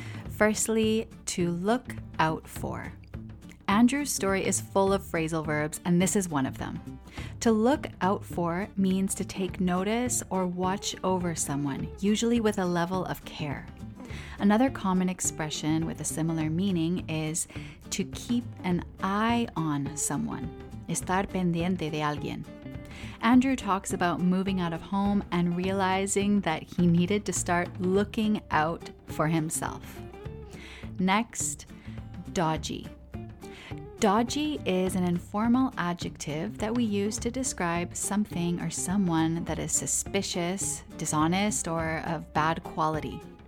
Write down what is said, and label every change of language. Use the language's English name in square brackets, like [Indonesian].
[English] Firstly, to look out for. Andrew's story is full of phrasal verbs, and this is one of them. To look out for means to take notice or watch over someone, usually with a level of care. Another common expression with a similar meaning is to keep an eye on someone. [Spanish] Estar pendiente de alguien. [English] Andrew talks about moving out of home and realizing that he needed to start looking out for himself. Next, dodgy. Dodgy is an informal adjective that we use to describe something or someone that is suspicious, dishonest, or of bad quality.